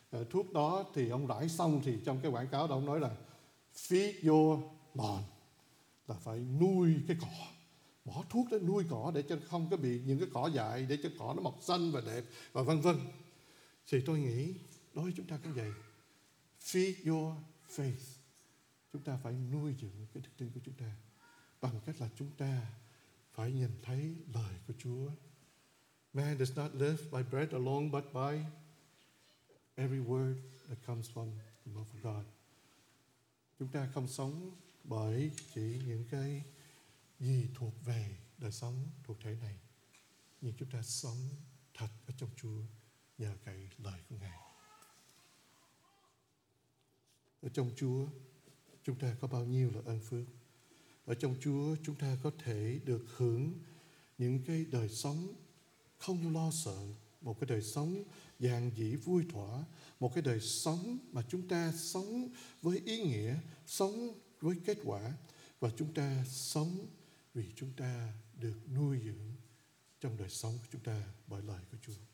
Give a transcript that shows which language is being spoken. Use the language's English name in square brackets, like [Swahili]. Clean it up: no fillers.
[Vietnamese] Thuốc đó thì ông rải xong thì trong cái quảng cáo đó ông nói là [English] feed your lawn, [Vietnamese] là phải nuôi cái cỏ, bỏ thuốc để nuôi cỏ để cho không có bị những cái cỏ dại, để cho cỏ nó mọc xanh và đẹp và vân vân. Thì tôi nghĩ đối với chúng ta cũng vậy. [English] Feed your faith. [Vietnamese] Chúng ta phải nuôi dưỡng cái đức tin của chúng ta bằng cách là chúng ta phải nhìn thấy lời của Chúa. [English] Man does not live by bread alone, but by every word that comes from the mouth of God. [Vietnamese] Chúng ta không sống bởi chỉ những cái gì thuộc về đời sống thuộc thể này, nhưng chúng ta sống thật ở trong Chúa nhờ cậy lời của Ngài. Ở trong Chúa, chúng ta có bao nhiêu là ân phước. Ở trong Chúa, chúng ta có thể được hưởng những cái đời sống không lo sợ, một cái đời sống dạng dĩ vui thỏa, một cái đời sống mà chúng ta sống với ý nghĩa, sống với kết quả, và chúng ta sống vì chúng ta được nuôi dưỡng trong đời sống của chúng ta bởi lời của Chúa.